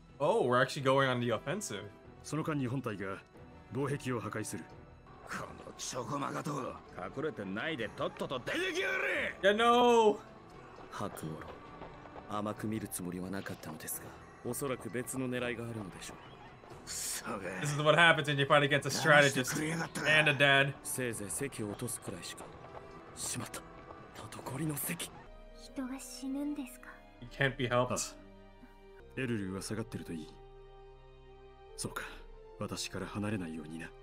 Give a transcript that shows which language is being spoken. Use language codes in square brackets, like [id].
[en] Oh, we're actually going on the offensive。 [ja] その間に本体が防壁を破壊する。このチョコマガト、隠れてないでとっとと出てきやがれ。 [en] Yeah, no。 [ja] ハクオロ。甘く見るつもりはなかったのですが、おそらく別の狙いがあるのでしょう。 [en] This is what happens when you fight against a strategist and a dad. [ja] せいぜい席を落とすくらいしか。しまった。残りの席。人が死ぬんですか。 [en] It can't be helped. [ja] エルルは下がってるといい。そうか。私から離れないようにな。